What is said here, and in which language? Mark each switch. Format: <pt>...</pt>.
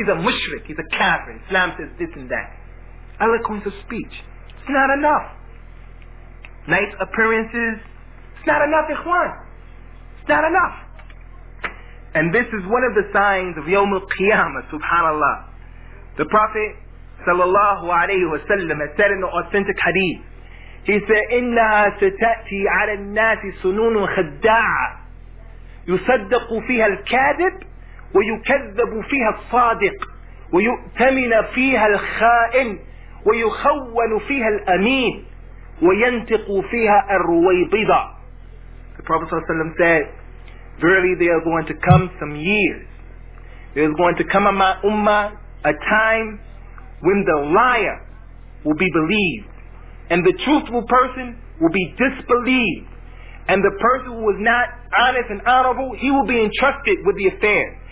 <en>He's a mushrik, he's a kafir. Islam says this and that. Eloquence of speech, it's not enough. Nice appearances, it's not enough, ikhwan. Not enough. And this is one of the signs of Yawm al-Qiyamah, subhanAllah. The Prophet sallallahu alayhi wa sallam has said in the authentic hadith, he said,</en> <ar>إِنَّهَا سَتَأْتِي عَلَى النَّاسِ سُنُونٌ خَدَّاعًا يُصَدَّقُ فِيهَا الْكَاذِبُ وَيُكَذَّبُ فِيهَا الصَّادِقُ وَيُؤْتَمِنَ فِيهَا الْخَائِنُ وَيُخَوَّنُ فِيهَا الْأَمِينُ وَيَنْتِقُ فِيهَا الرُّوَيْضِضَى.</ar> <en>The Prophet ﷺ said, verily there are going to come some years. There is going to come on my ummah a time when the liar will be believed, and the truthful person will be disbelieved, and the person who was not honest and honorable, he will be entrusted with the affairs.</en>